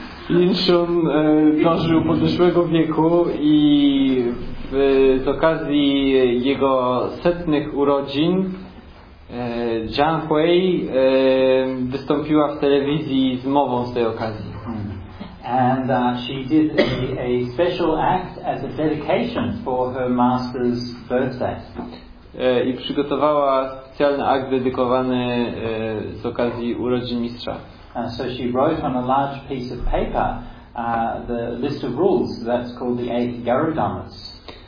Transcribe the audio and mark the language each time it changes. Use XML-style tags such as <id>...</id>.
<pl>Yim Shun dożył podeszłego wieku i z okazji jego setnych urodzin Zhang Hui wystąpiła w telewizji z mową z tej okazji.</pl> <en>And she did a special act as a dedication for her master's birthday.</en> <pl>I przygotowała specjalny akt dedykowany z okazji urodzin mistrza.</pl> <en>So she wrote on a large piece of paper the list of rules that's called the 8 Garudamas.</en>